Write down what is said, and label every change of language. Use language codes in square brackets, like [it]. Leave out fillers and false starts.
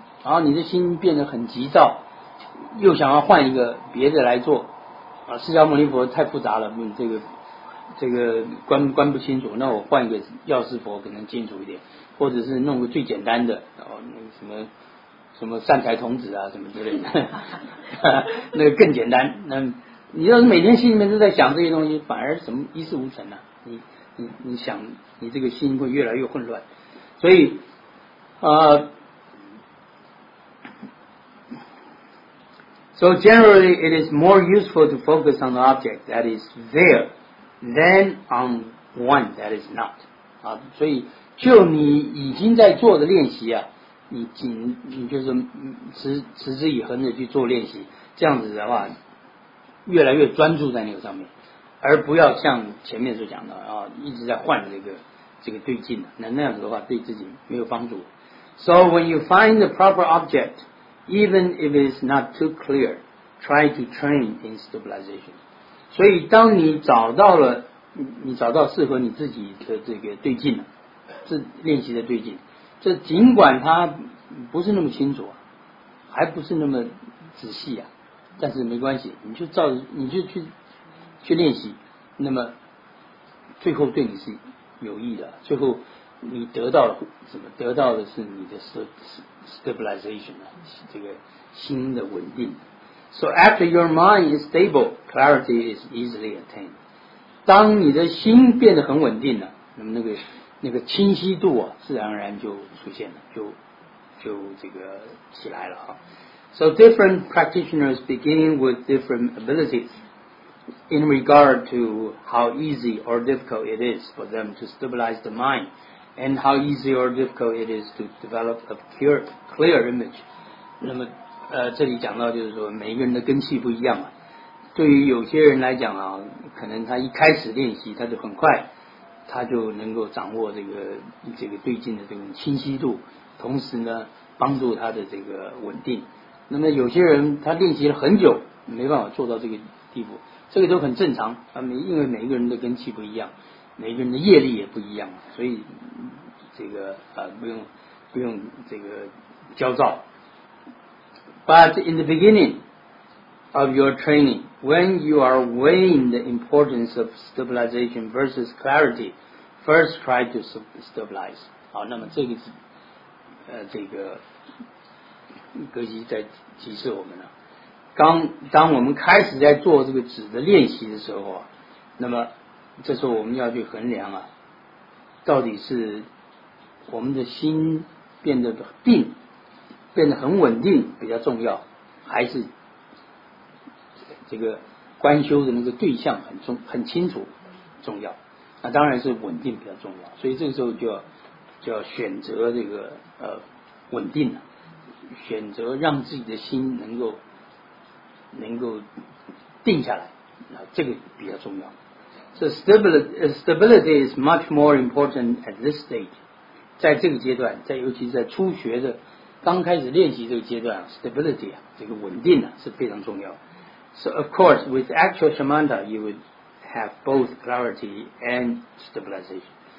[zh] 然后你的心变得很急躁，又想要换一个别的来做，啊，释迦牟尼佛太复杂了，这个关不清楚，那我换一个药师佛可能清楚一点，或者是弄个最简单的，那个什么善财童子啊什么之类的，那个更简单。那你要是每天心里面都在想这些东西，反而什么一事无成啊，你想你这个心会越来越混乱。 [en] 所以So generally it is more useful to focus on the object that is there than on one that is not. [zh] 啊，所以就你已经在做的练习啊，你就是持之以恒的去做练习，这样子的话越来越专注在那个上面，而不要像前面所讲的啊，一直在换这个对境，那样子的话对自己没有帮助。 [en] So when you find the proper object, even if it's not too clear, try to train in stabilization. [zh] 所以当你找到了，你找到适合你自己的这个对境了，这练习的对境，这尽管它不是那么清楚，还不是那么仔细啊，但是没关系，你就去练习，那么最后对你是有益的，最后你得到了什么？得到的是你的 stabilization， 这个心的稳定。 [en] So after your mind is stable, clarity is easily attained. [zh] 当你的心变得很稳定了，那么那个清晰度啊，自然而然就出现了，就这个起来了啊。 [en] So different practitioners begin with different abilities in regard to how easy or difficult it is for them to stabilize the mind. And how easy or difficult it is to develop a clear image. [zh] 那么这里讲到就是说每个人的根器不一样嘛。对于有些人来讲啊，可能他一开始练习他就很快，他就能够掌握这个对境的这种清晰度，同时呢帮助他的这个稳定。那么有些人他练习了很久没办法做到这个地步，这个都很正常，因为每一个人的根器不一样，每个人的业力也不一样，所以这个不用这个焦躁。 [en] But in the beginning of your training, when you are weighing the importance of stabilization versus clarity, first try to stabilize. [zh] 好，那么这个是格西在提示我们了。当我们开始在做这个指的练习的时候啊，那么这时候我们要去衡量啊，到底是我们的心变得很稳定比较重要，还是这个观修的那个对象很清楚重要。那当然是稳定比较重要，所以这个时候就要选择这个稳定了，选择让自己的心能够定下来，那这个比较重要。 [en] So stability is much more important at this stage. [zh] 在这个阶段，在尤其是在初学的刚开始练习这个阶段 ,stability 啊，这个稳定啊是非常重要。 [en] So of course, with actual shamatha, you would have both clarity and stabilization.